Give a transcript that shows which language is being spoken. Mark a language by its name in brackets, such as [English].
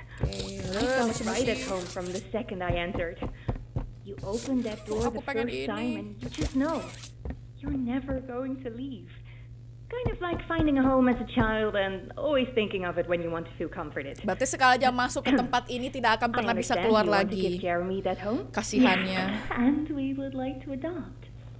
[English] I felt right at home from the second I entered. You opened that door the first time and you just know. You're never going to leave. Kind of like finding a home as a child and always thinking of it when you want to feel comforted. [Indonesian] Berarti sekali aja masuk ke tempat ini tidak akan pernah bisa keluar lagi. Kasihannya. [English] And we would like to adopt.